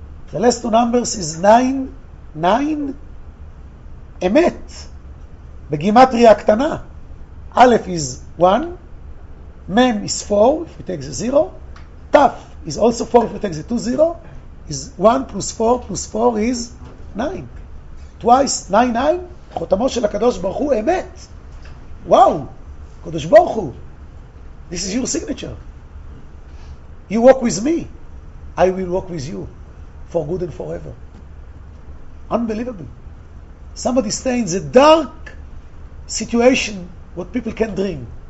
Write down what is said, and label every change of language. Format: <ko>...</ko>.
<en>The last two numbers is 9 emet בגימטריה קטנה. א' is 1, מם is 4 if we take the 0, תף is also 4 if we take the 2 0, is 1 plus 4 plus 4 is 9. Twice 9 9</en> <he>חותמו של הקדוש ברוך הוא אמת. וואו, קדוש ברוך הוא,</he> <en>this is your signature, you walk with me, I will walk with you for good and forever. Unbelievable. Somebody stay in the dark situation what people can dream.</en>